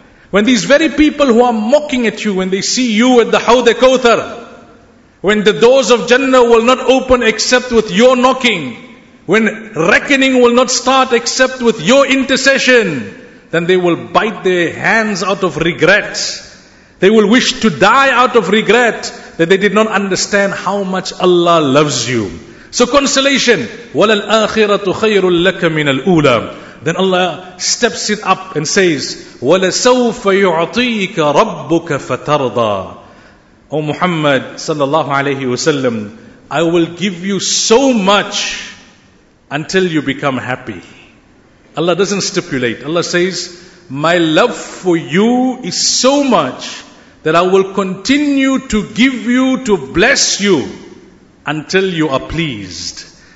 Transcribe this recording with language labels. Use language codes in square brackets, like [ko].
[en] When these very people who are mocking at you, when they see you at the Hawd al-Kawthar, when the doors of Jannah will not open except with your knocking, when reckoning will not start except with your intercession, then they will bite their hands out of regret. They will wish to die out of regret that they did not understand how much Allah loves you. So consolation, [ar] وَلَلْآخِرَةُ خَيْرٌ لَكَ مِنَ الْأُولَى. [en] Then Allah steps it up and says, [ar] وَلَسَوْفَ يُعْطِيكَ رَبُّكَ فَتَرْضَى. [en] O Muhammad sallallahu alayhi wa sallam, I will give you so much until you become happy. Allah doesn't stipulate. Allah says, my love for you is so much that I will continue to give you, to bless you until you are pleased.